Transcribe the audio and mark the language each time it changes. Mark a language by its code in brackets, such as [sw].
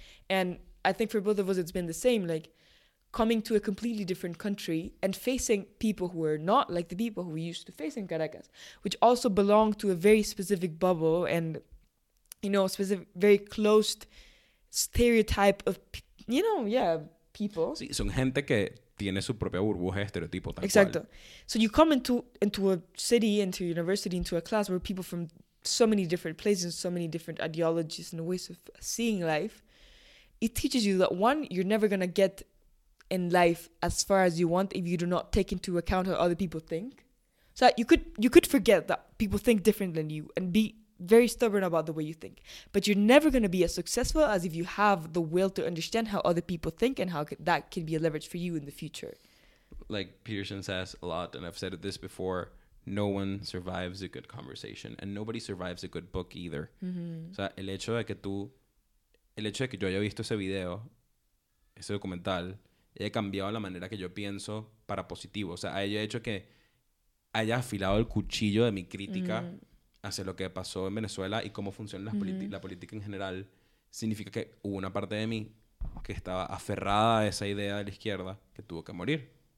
[en] And I think for both of us, it's been the same, like coming to a completely different country and facing people who are not like the people who we used to face in Caracas, which also belong to a very specific bubble and, you know, specific, very closed stereotype of, you know, yeah, people. [es] Sí, son gente que tiene su propia burbuja estereotipo. Exacto. [en] So you come into a city, into a university, into a class where people from so many different places, so many different ideologies and ways of seeing life. It teaches you that, one, you're never going to get in life as far as you want if you do not take into account how other people think. So you could forget that people think different than you and be very stubborn about the way you think. But you're never going to be as successful as if you have the will to understand how other people think and how that can be a leverage for you in the future. Like Peterson says a lot, and I've said this before, no one survives a good conversation and nobody survives a good book either. Mm-hmm. [es] O sea, el hecho de que yo haya visto ese video, ese documental, haya cambiado la manera que yo pienso para positivo. O sea, haya hecho que haya afilado el cuchillo de mi crítica mm-hmm. hacia lo que pasó en Venezuela y cómo funciona mm-hmm. la política en general, significa que hubo una parte de mí que estaba aferrada a esa idea de la izquierda que tuvo que morir.